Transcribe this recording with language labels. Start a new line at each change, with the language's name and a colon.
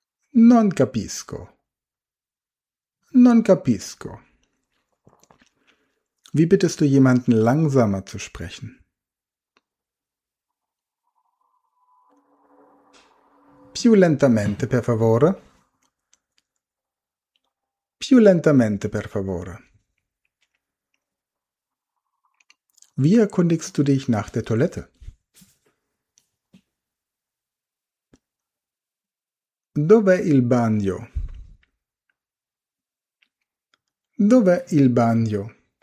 Italian: Non capisco. Non capisco.
German: Wie bittest du jemanden, langsamer zu sprechen?
Italian: Più lentamente, per favore. Più lentamente, per favore.
German: Wie erkundigst du dich nach der Toilette?
Italian: Dov'è il bagno? Dov'è il bagno?